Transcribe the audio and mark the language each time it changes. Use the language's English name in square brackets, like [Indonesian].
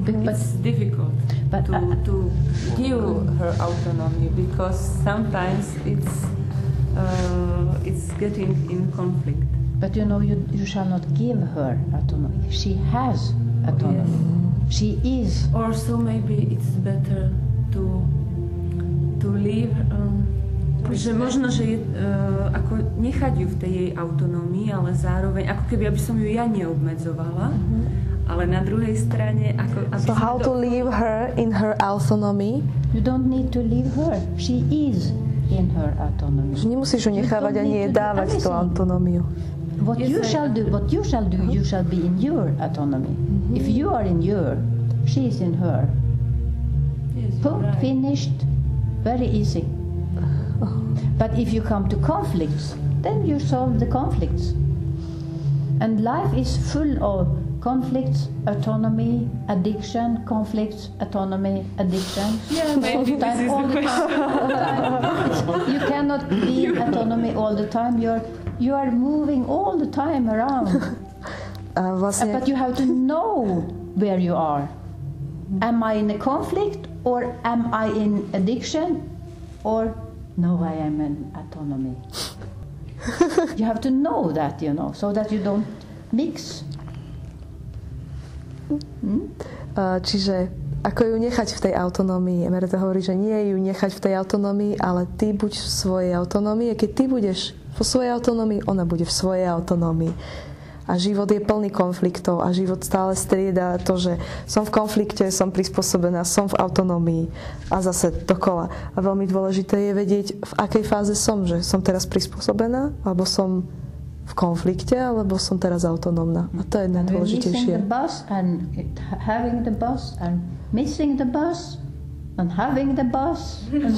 [English] It's difficult to give her autonomy because sometimes it's getting in conflict. But you know, you shall not give her autonomy. She has autonomy. Yes. She is. Or so maybe it's better to leave. [Slovak] Že možno, že je, ako nechať ju v tej jej autonómii, ale zároveň, ako keby aby som ju ja neobmedzovala, ale na druhej strane, ako... [English] So how to leave her in her autonomy? You don't need to leave her. She is in her autonomy. [Slovak] Že nemusíš ju nechávať ani jej dávať tú autonómiu. [English] What you shall do, you shall be in your autonomy. Mm-hmm. If you are in your, she is in her. Yes, Pooh, right. Finished, very easy. But if you come to conflicts, then you solve the conflicts. And life is full of conflicts, autonomy, addiction, conflicts, autonomy, addiction. Yeah, maybe this is the question. You cannot be in autonomy all the time. You are moving all the time around. But you have to know where you are. Am I in a conflict or am I in addiction or no, I am in autonomy. You have to know that, you know, so that you don't mix. [Slovak] Čiže ako ju nechať v tej autonomii? Merete hovorí, že nie ju nechať v tej autonomii, ale ty buď v svojej autonomii. A keď ty budeš vo svojej autonomii, ona bude v svojej autonomii. A život je plný konfliktov a život stále strieda to, že som v konflikte, som prispôsobená, som v autonomii a zase dokola. A veľmi dôležité je vedieť, v akej fáze som, že som teraz prispôsobená, alebo som v konflikte, alebo som teraz autonómna. A to je najdôležitejšie. [English] Missing the bus and having the bus and missing the bus and having the bus.